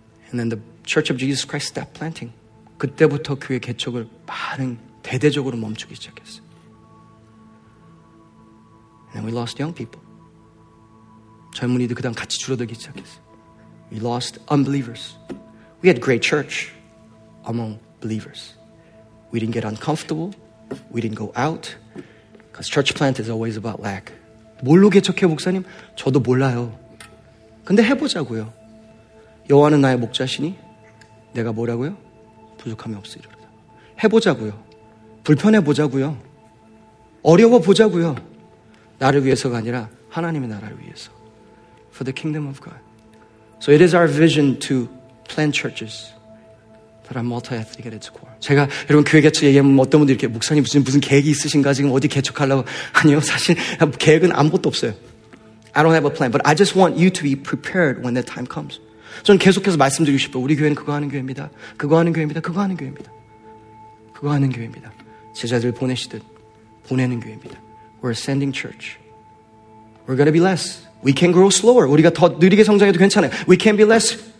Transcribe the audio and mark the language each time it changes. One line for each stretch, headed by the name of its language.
English: And then the Church of Jesus Christ stopped planting.
Korean: 그때부터 교회 개척을 많은 대대적으로 멈추기 시작했어요.
English: And we lost young people.
Korean: 젊은이도 그 다음 같이 줄어들기 시작했어.
English: We lost unbelievers. We had great church among believers. We didn't get uncomfortable. We didn't go out. Because church plant is always about lack.
Korean: 뭘로 개척해요, 목사님? 저도 몰라요. 근데 해보자고요. 여호와는 나의 목자시니 내가 뭐라고요? 부족함이 없으리라. 해보자고요. 불편해 보자고요. 어려워 보자고요. 나를 위해서가 아니라 하나님의 나라를 위해서.
English: For the kingdom of God. So it is our vision to plant churches that are multi-ethnic at its core.
Korean: 제가 여러분 교회 개척 얘기하면 어떤 분들이 이렇게 목사님 무슨 계획이 있으신가 지금 어디 개척하려고 아니요 사실 계획은 아무것도 없어요.
English: I don't have a plan, but I just want you to be prepared when the time comes.
Korean: 저는 계속해서 말씀드리고 싶어요. 우리 교회는 그거 하는 교회입니다. 그거 하는 교회입니다. 그거 하는 교회입니다. 그거 하는 교회입니다. 제자들 보내시듯 보내는 교회입니다.
English: We're ascending church. We're going to be less. We can grow slower.
Korean: 우리가 더 느리게 성장해도 괜찮아요.
English: We can be less.